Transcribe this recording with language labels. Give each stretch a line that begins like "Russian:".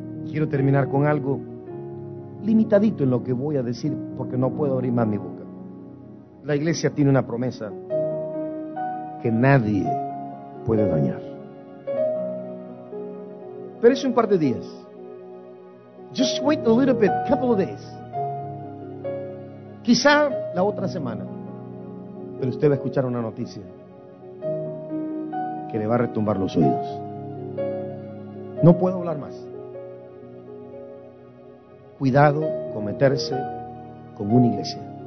Spanish: quiero terminar con algo limitadito en lo que voy a decir, porque no puedo abrir más mi boca. La iglesia tiene una promesa que nadie puede dañar. Pero es un par de días.
English: Just wait a little bit, couple of days.
Spanish: Quizá la otra semana. Pero usted va a escuchar una noticia que le va a retumbar los oídos. No puedo hablar más. Cuidado con meterse con una iglesia.